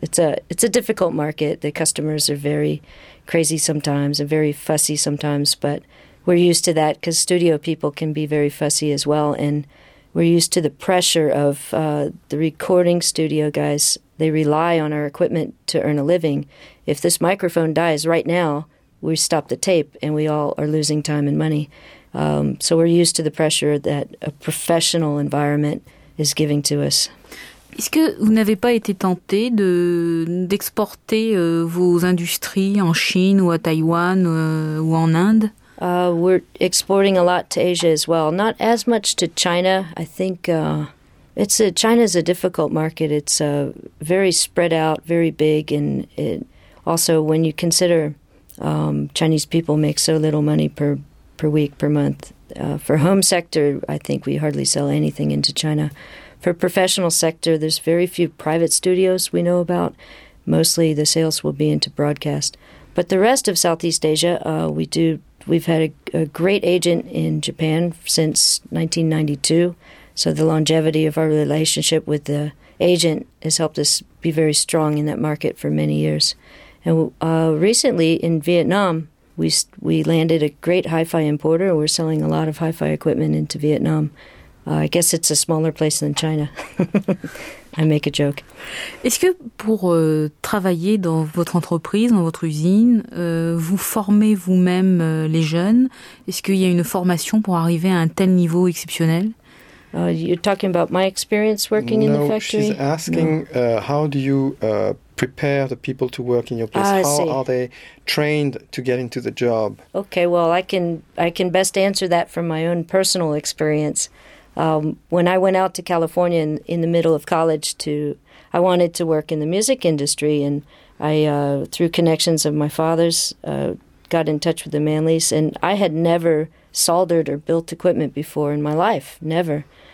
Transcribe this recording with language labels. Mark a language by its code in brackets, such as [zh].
[en] It's a difficult market. The customers are very crazy sometimes and very fussy sometimes, but we're used to that because studio people can be very fussy as well, and we're used to the pressure of the recording studio guys. They rely on our equipment to earn a living. If this microphone dies right now, we stop the tape and we all are losing time and money. So we're used to the pressure that a professional environment is giving to us. [fr] Est-ce que vous n'avez pas été tenté d'exporter vos industries en Chine ou à Taïwan ou en Inde? [en] We're exporting a lot to Asia as well. Not as much to China. I think China's a difficult market. It's very spread out, very big, and it also when you consider Chinese people make so little money per week, per month. For home sector, I think we hardly sell anything into China. For professional sector, there's very few private studios we know about. Mostly the sales will be into broadcast. But the rest of Southeast Asia, we've had a great agent in Japan since 1992. So the longevity of our relationship with the agent has helped us be very strong in that market for many years. And recently in Vietnam, we landed a great hi-fi importer. We're selling a lot of hi-fi equipment into Vietnam. I guess it's a smaller place than China. I make a joke. [fr] Est-ce que pour travailler dans votre entreprise, dans votre usine, vous formez vous-même les jeunes? Est-ce qu'il y a une formation pour arriver à un tel niveau exceptionnel? [en] You're talking about my experience working in the factory? No, she's asking how do you prepare the people to work in your place? Are they trained to get into the job? Okay, well, I can best answer that from my own personal experience. When I went out to California in the middle of college, I wanted to work in the music industry, and I, through connections of my father's, got in touch with the Manleys, and I had never soldered or built equipment before in my life, never.